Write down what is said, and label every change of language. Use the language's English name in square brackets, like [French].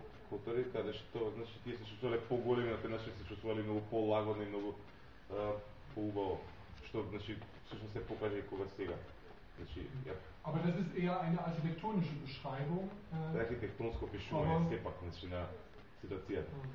[Macedonian] Култури, каде што, значи, тие се чувствувале по-големи, на тој начин се чувствувале многу по-лагодно и многу по-убаво, што, значи, всушност се покажа и кога сега. Значи, [German] Aber das ist eher eine architektonische Beschreibung. [Macedonian] Архитектонско пишување сепак, значи, на ситуацијата.